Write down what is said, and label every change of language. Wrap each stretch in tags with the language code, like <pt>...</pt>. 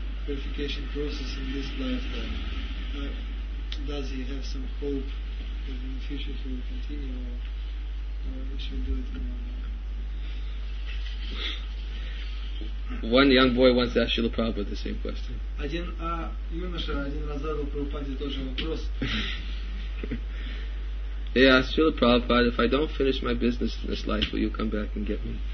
<en>purification process in this lifetime, does he have some hope that in the future he will continue, or we should do it tomorrow? One young boy once asked Srila Prabhupada the same question.</en> <ru>Один юноша один раз задал Прабхупаде тот же вопрос.</ru> <en>He asked Srila Prabhupada, if I don't finish my business in this life, will you come back and get me?</en>